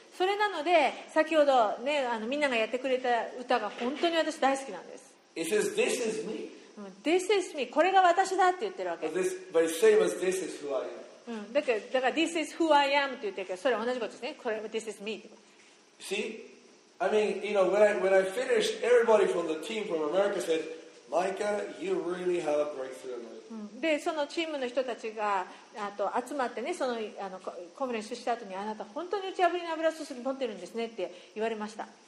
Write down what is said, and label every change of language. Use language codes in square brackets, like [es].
[ja] それなので先ほど、ね、みんながやってくれた歌が本当に私大好きなんです。 [en] It says, This is me. This is me. [ja] これが私だって言ってるわけ。 [en] But it's same as this is who I am. [ja] だから [en] This is who I am [ja] って言ってるけど、それは同じことですね。これ [en] This is me [ja] ってこと。 [en] See? I mean, you know, when I finished, everybody from the team from America said, Micah, you really have a breakthrough in life. [ja] でそのチームの人たちがあと集まってね、そのコンフレンスした後にあなた本当に打ち破りの油注ぎ持ってるんですねって言われました。